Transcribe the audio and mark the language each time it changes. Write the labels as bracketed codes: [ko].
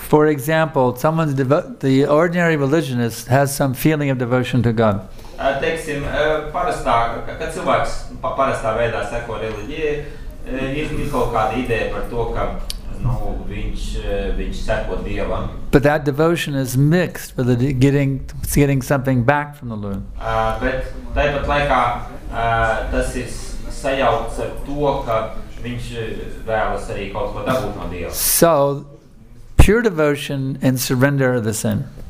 [en] For example, someone's the ordinary religionist has some feeling of devotion to God. [lv] Teiksim, parastā, kad cilvēks parastā veidā seko reliģijai, ir kaut kāda ideja par to, ka nu, viņš seko Dievam. [en] But that devotion is mixed with getting something back from the Lord. [lv] Bet tāpat laikā tas ir sajaukts ar to, ka viņš vēlas arī kaut ko dabūt no Dieva. [en] So, pure devotion and surrender are the same.